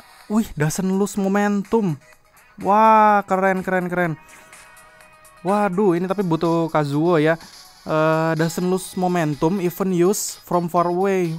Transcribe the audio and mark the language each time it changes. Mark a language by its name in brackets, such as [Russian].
[English] Wih, doesn't lose momentum. [Indonesian] Wah, keren. Waduh, ini tapi butuh Kazuo ya. [English] Doesn't lose momentum even use from far away.